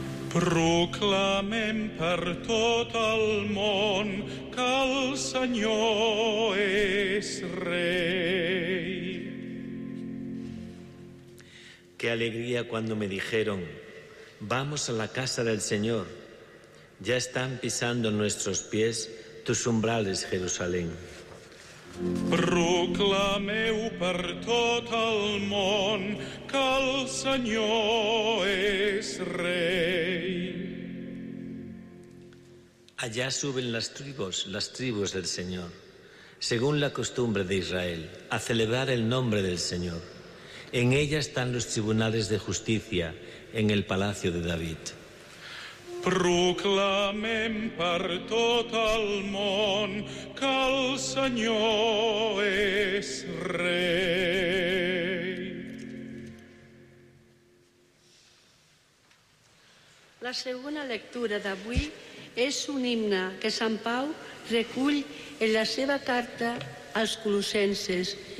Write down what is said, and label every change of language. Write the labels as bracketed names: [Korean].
[Catalan] Proclamem per tot el món que el Senyor és rei. [Spanish] Qué alegría cuando me dijeron: vamos a la casa del Señor. Ya están pisando nuestros pies tus umbrales, Jerusalén. [Catalan] Proclameu per tot el món que el Senyor és rei. [Spanish] Allá suben las tribus del Señor, según la costumbre de Israel, a celebrar el nombre del Señor. En ella están los tribunales de justicia, en el palacio de David. [Catalan] Proclamem per tot el món que el Senyor és rei. La segona lectura d'avui és un himne que Sant Pau recull en la seva carta als Colossenses.